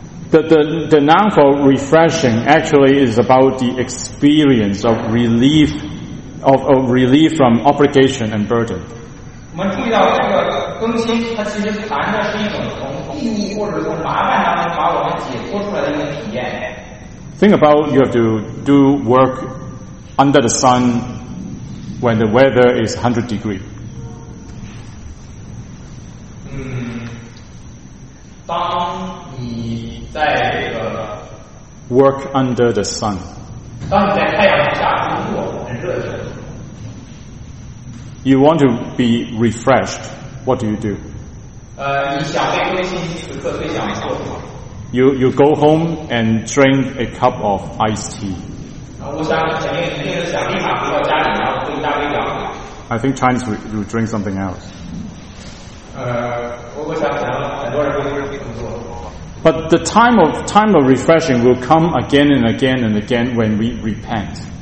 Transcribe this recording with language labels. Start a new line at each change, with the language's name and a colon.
English: The noun for refreshing actually is about the experience of relief of relief from obligation and burden.
Chinese: 我们注意到这个更新，它其实谈的是一种从义务或者从麻烦当中把我们解脱出来的一个体验。
English: Think about you have to do work under the sun when the weather is 100 degrees.
Chinese: 当你在这个
English: work under the sun，
Chinese: 当你在太阳下工作很热的时候，
English: you want to be refreshed， what do you do？
Chinese: 你想被更新，此刻最想做什么？
English: You go home and drink a cup of iced tea. I think Chinese will drink something else. But the time of refreshing will come again and again and again when we repent.